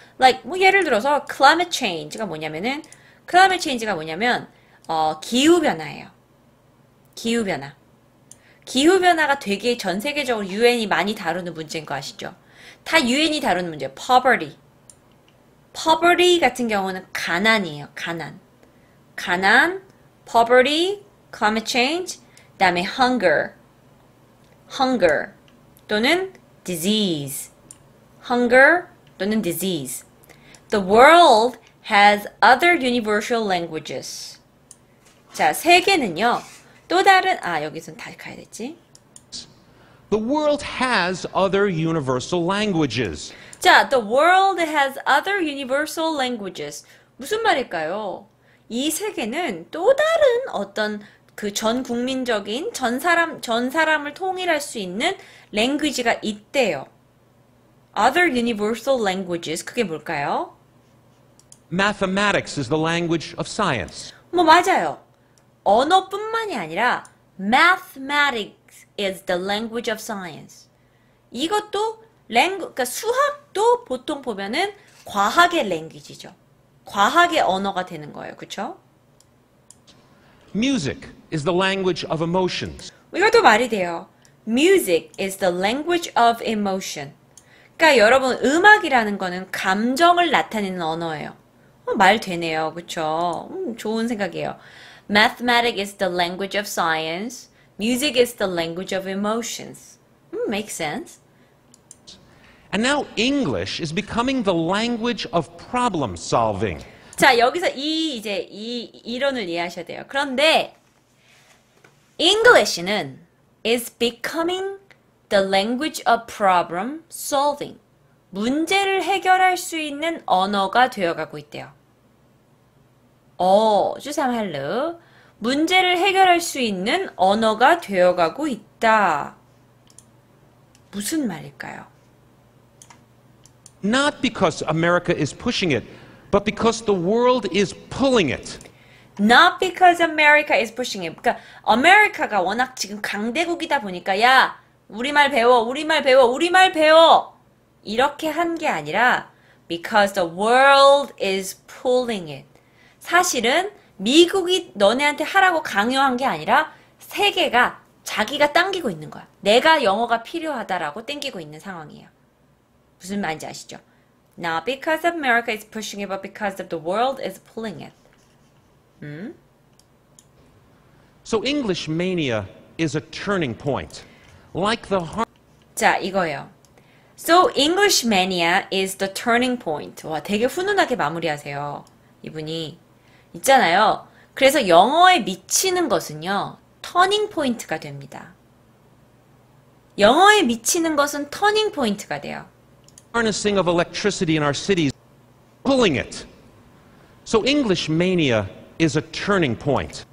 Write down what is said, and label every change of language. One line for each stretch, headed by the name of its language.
Korean: Like 뭐 예를 들어서 climate change가 뭐냐면은 climate change가 뭐냐면 기후 변화예요. 기후 변화. 기후 변화가 되게 전 세계적으로 UN이 많이 다루는 문제인 거 아시죠? 다 UN이 다루는 문제예요.
English: Poverty.
Korean: Poverty 같은 경우는 가난이에요. 가난.
English: 가난, poverty, climate change, 다음에 hunger. Hunger 또는 disease. Hunger 또는 disease. The world has other universal languages.
Korean: 자, 세계는요. 또 다른 아 여기선 다시 가야 되지.
English: The world has other universal languages. 자, the world has other universal languages.
Korean: 무슨 말일까요? 이 세계는 또 다른 어떤 그 전 국민적인 전 사람을 통일할 수 있는 랭귀지가 있대요.
English: Other universal languages
Korean: 그게 뭘까요?
English: Mathematics is the language of science.
Korean: 뭐 맞아요. 언어뿐만이 아니라
English: mathematics is the language of science.
Korean: 이것도 그러니까 수학도 보통 보면은 과학의 랭귀지죠. 과학의 언어가 되는 거예요. 그렇죠?
English: Music is the language of emotions.
Korean: 이것도 말이 돼요.
English: Music is the language of emotion.
Korean: 그러니까 여러분 음악이라는 거는 감정을 나타내는 언어예요. 말 되네요. 그렇죠? 좋은 생각이에요.
English: Mathematics is the language of science. Music is the language of emotions. Makes sense. And now English is becoming the language of problem solving.
Korean: 자, 여기서 이 이론을 이해하셔야 돼요.
English: 그런데 English는 is becoming the language of problem solving.
Korean: 문제를 해결할 수 있는 언어가 되어가고 있대요. 오, 주사말로. 문제를 해결할 수 있는 언어가 되어가고 있다. 무슨 말일까요?
English: Not because America is pushing it, but because the world is pulling it. Not because America is pushing it.
Korean: 그러니까 아메리카가 워낙 지금 강대국이다 보니까 야, 우리말 배워, 우리말 배워, 우리말 배워! 이렇게 한 게 아니라
English: because the world is pulling it.
Korean: 사실은 미국이 너네한테 하라고 강요한 게 아니라 세계가 자기가 당기고 있는 거야. 내가 영어가 필요하다라고 당기고 있는 상황이에요. 무슨 말인지 아시죠?
English: Not because America is pushing it, but because of the world is pulling it. So English mania is a turning point. Like the
Korean: 자, 이거예요.
English: So English mania is the turning point.
Korean: 와, 되게 훈훈하게 마무리하세요. 이분이. 있잖아요. 그래서 영어에 미치는 것은요. turning point가 됩니다. 영어에 미치는 것은 turning point가 돼요.
English: Harnessing of electricity in our cities, pulling it. So English mania is a turning point.